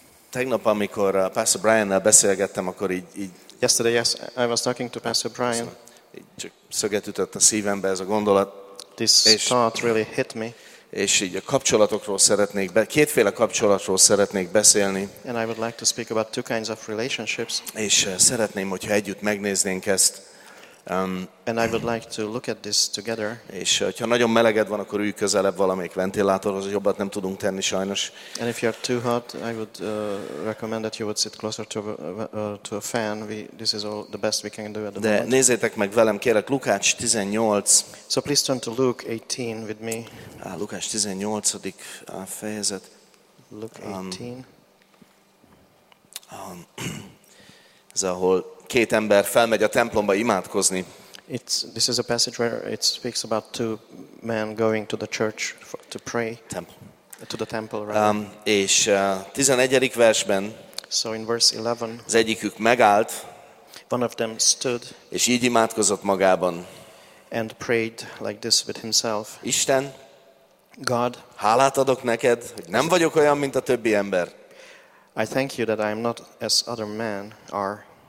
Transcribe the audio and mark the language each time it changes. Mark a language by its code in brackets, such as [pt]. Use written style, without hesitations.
[hu] Tegnap, amikor Pastor Brian-nel beszélgettem, akkor így... [en] Yesterday, yes, I was talking to Pastor Brian. [hu] Csak szöget ütött a szívembe ez a gondolat. [en] This thought really hit me. [hu] És így a kapcsolatokról szeretnék, kétféle kapcsolatról szeretnék beszélni. [en] And I would like to speak about two kinds of relationships. [hu] És szeretném, hogyha együtt megnéznénk ezt. [en] And I would like to look at this together. [hu] És ha nagyon meleged van, akkor ülj közelebb valamelyik ventilátorhoz, jobbat nem tudunk tenni sajnos. [en] And if you are too hot, I would recommend that you would sit closer to a fan. This is all the best we can do at the De moment. [hu] Nézzétek meg velem, kérek, Lukács 18. [en] So please turn to Luke 18 with me. [hu] Lukács 18. fejezet. [en] Luke 18. [hu] Ez ahol két ember felmegy a templomba imádkozni. [en] This is a passage where it speaks about two men going to the church to pray. Temple. To the temple, [hu] right? És 11. versben. [en] So in verse 11. [hu] Az egyikük megállt. [en] One of them stood. [hu] És így imádkozott magában. [en] And prayed like this with himself. [hu] Isten, [en] God, [hu] hálát adok neked, hogy nem vagyok olyan, mint a többi ember. [en] I thank you that I am not as other men are.